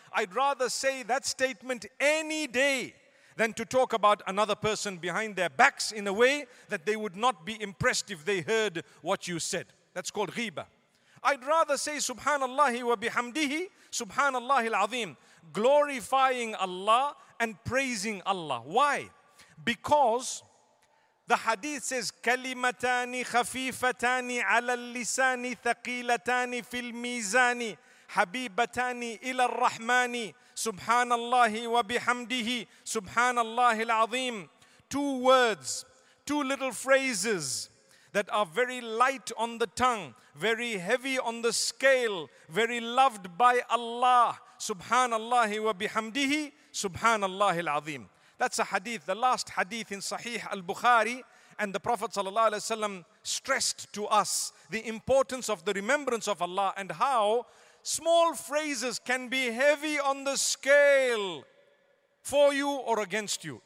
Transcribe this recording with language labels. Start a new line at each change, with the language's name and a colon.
English: I'd rather say that statement any day than to talk about another person behind their backs in a way that they would not be impressed if they heard what you said. That's called ghibah. I'd rather say
Arabic: Subhanallah wa bihamdihi, Subhanallah al-Azim,
English: glorifying Allah and praising Allah. Why? Because the hadith says,
Arabic: كَلِمَتَانِ خَفِيفَتَانِ عَلَى اللِّسَانِ ثَقِيلَتَانِ فِي الْمِيزَانِ حَبِيبَتَانِ إِلَى الرَّحْمَانِ سُبْحَانَ اللَّهِ وَبِحَمْدِهِ سُبْحَانَ اللَّهِ الْعَظِيمِ.
English: Two words, two little phrases that are very light on the tongue, very heavy on the scale, very loved by Allah.
Arabic: سُبْحَانَ اللَّهِ وَبِحَمْدِهِ سُبْحَانَ اللَّهِ الْعَظِيمِ.
English: That's a hadith, the last hadith in Sahih al-Bukhari, and the Prophet sallallahu alaihi wasallam stressed to us the importance of the remembrance of Allah and how small phrases can be heavy on the scale for you or against you.